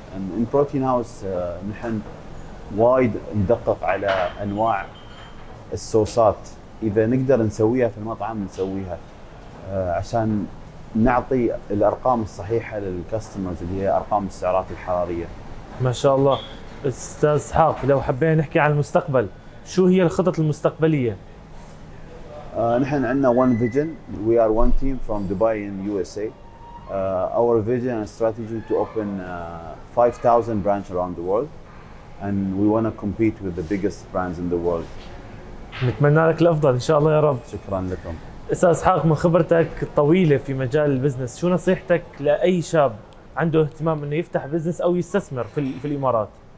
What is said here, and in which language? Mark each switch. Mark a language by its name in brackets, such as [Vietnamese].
[English] and in protein house [Arabic] نحن وايد ندقق على أنواع الصوصات، اذا نقدر نسويها في المطعم نسويها عشان نعطي الارقام الصحيحه للكاستمرز، اللي هي ارقام السعرات الحراريه. ما شاء الله. استاذ إسحاق، لو حبينا نحكي عن المستقبل، شو هي الخطط المستقبليه؟ نحن عندنا [English] one vision. We are one team from Dubai in USA. Our vision and strategy to open 5000 branch around the world, and we want to compete with the biggest brands in the world. [Arabic] نتمنى لك الأفضل إن شاء الله يا رب. شكرا لكم. أستاذ إسحاق، من خبرتك الطويلة في مجال البزنس، شو نصيحتك لأي شاب عنده اهتمام أنه يفتح بزنس أو يستثمر في الإمارات؟